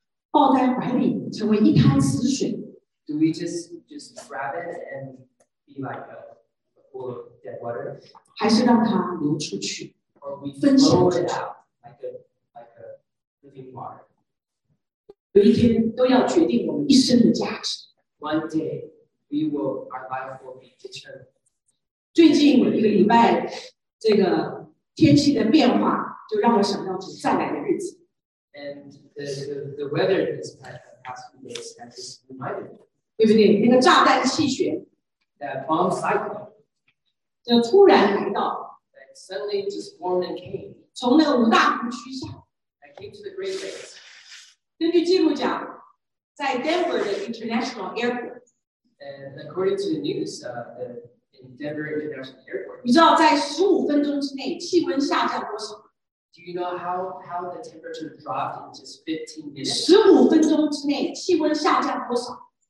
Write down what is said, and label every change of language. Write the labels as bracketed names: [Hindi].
[Chinese] 抱在怀里，成为一滩死水。 [English] Do we just grab it and be like a pool of dead water? [Chinese] 还是让它流出去 [English] ？Or we flow it out like a living water? [Chinese] 有一天都要决定我们一生的价值。 [English] One day, our life will be determined. [Chinese] 最近我一个礼拜，这个天气的变化就让我想到主再来的日子。 [English] And the weather this past few days has just reminded me. [Chinese] 对不对？那个炸弹气旋 [English] ，that bomb cyclone， [Chinese] 就突然来到。 [English] That suddenly just formed and came. [Chinese] 从那五大湖区下。 [English] I came to the Great Lakes. [Chinese] 根据记录讲，在 Denver 的 International Airport. [English] And according to the news, the Denver International Airport. [Chinese] 你知道在十五分钟之内气温下降多少 [English] ？Do you know how the temperature dropped in just 15 minutes? [Chinese] 十五分钟之内气温下降多少